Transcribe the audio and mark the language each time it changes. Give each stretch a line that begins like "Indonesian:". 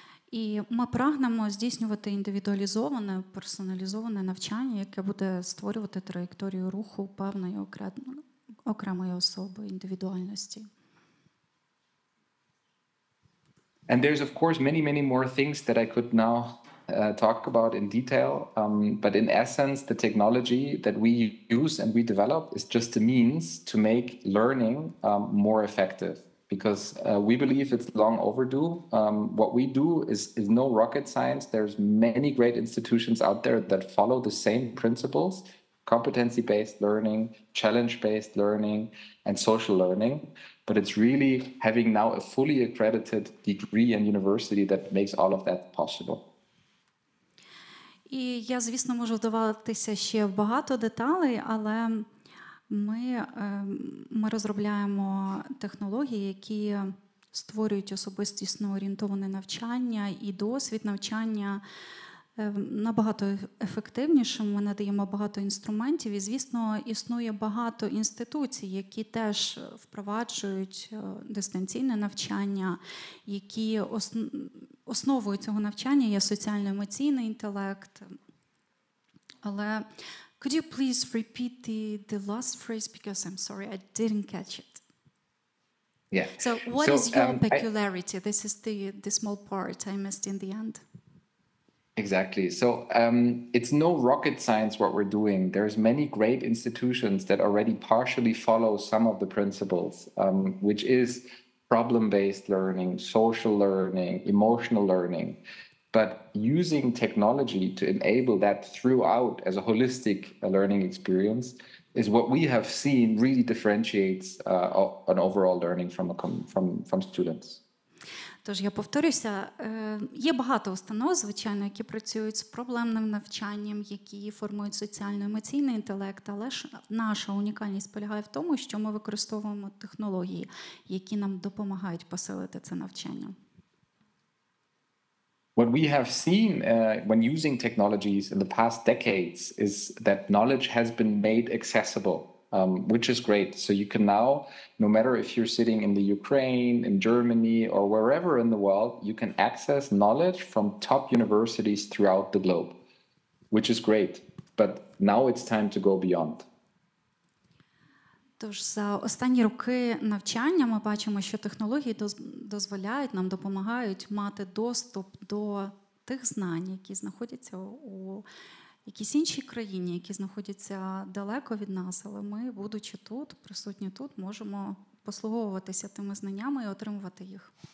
Ukrainian: І ми прагнемо здійснювати індивідуалізоване, персоналізоване навчання, яке буде створювати траєкторію руху певної окремої особи, індивідуальності.
English: And there's of course many, many more things that I could now talk about in detail. But in essence, the technology that we use and we develop is just a means to make learning more effective. Because we believe it's long overdue. What we do is no rocket science. There's many great institutions out there that follow the same principles: competency-based learning, challenge-based learning, and social learning. But it's really having now a fully accredited degree and university that makes all of that possible.
Ukrainian: І я, звісно, можу вдаватися ще в багато деталей, але ми розробляємо технології, які створюють особистісно орієнтоване навчання і досвід навчання набагато ефективнішим. Ми надаємо багато інструментів. І, звісно, існує багато інституцій, які теж впроваджують дистанційне навчання, які основою цього навчання є соціально-емоційний інтелект. Але
English: could you please repeat the last phrase, because I'm sorry, I didn't catch it. Yeah. So what is your peculiarity? This is the small part I missed in the end. Exactly. So it's no rocket science what we're doing. There's many great institutions that already partially follow some of the principles, which is problem-based learning, social learning, emotional learning. But using technology to enable that throughout as a holistic learning experience is what we have seen really differentiates an overall learning from students.
Ukrainian: Тож я повторюся, є багато установ, звичайно, які працюють з проблемним навчанням, які формують соціально-емоційний інтелект, але ж наша унікальність полягає в тому, що ми використовуємо технології, які нам допомагають посилити це навчання.
English: What we have seen when using technologies in the past decades is that knowledge has been made accessible, which is great. So you can now, no matter if you're sitting in the Ukraine, in Germany, or wherever in the world, you can access knowledge from top universities throughout the globe, which is great. But now it's time to go beyond.
Ukrainian: Тож за останні роки навчання ми бачимо, що технології дозволяють нам, допомагають мати доступ до тих знань, які знаходяться у якійсь іншій країні, які знаходяться далеко від нас, але ми, будучи тут, присутні тут, можемо послуговуватися тими знаннями і отримувати їх.